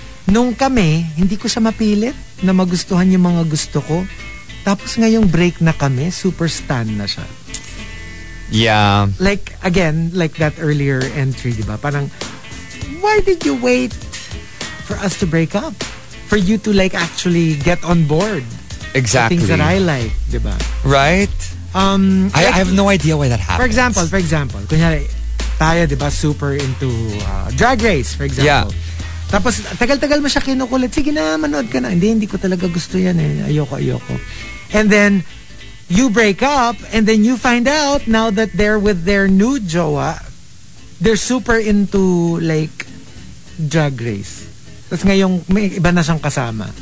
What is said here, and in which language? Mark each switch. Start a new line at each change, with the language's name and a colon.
Filipino: Nung kami, hindi ko siya mapilit na magustuhan yung mga gusto ko. Tapos ngayong break na kami, super stan na siya.
English: Yeah. Like, again, like that earlier entry,
Filipino: di ba?
English: Parang, why did you wait for us to break up? For you to like actually get on board. Exactly. The things that I like,
Filipino: di ba?
English: Right? I have no idea why that happened. For example,
Filipino: kunyari, tayo, di ba,
English: super into Drag Race, for example. Yeah.
Filipino: Tapos, tagal-tagal mo siya kinukulit. Sige na, manood ka na. Hindi ko talaga gusto yan eh. Ayoko.
English: And then, you break up, and then you find out, now that they're with their new Joa, they're super into, like, Drag Race.
Filipino: Tapos ngayong, may iba na siyang kasama.